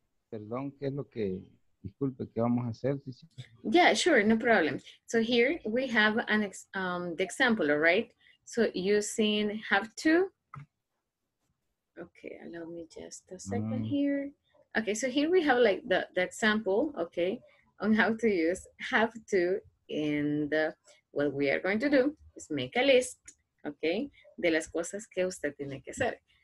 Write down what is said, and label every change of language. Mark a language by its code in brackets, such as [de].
[es] Perdón, ¿qué es lo que, disculpe, qué vamos a hacer? [en] Yeah, sure, no problem. So here we have an the example, all right? So using have to. Okay, allow me just a second here. Okay, so here we have like the example, okay, on how to use have to. And what we are going to do is make a list. [es] Okay, de las cosas que usted tiene que hacer.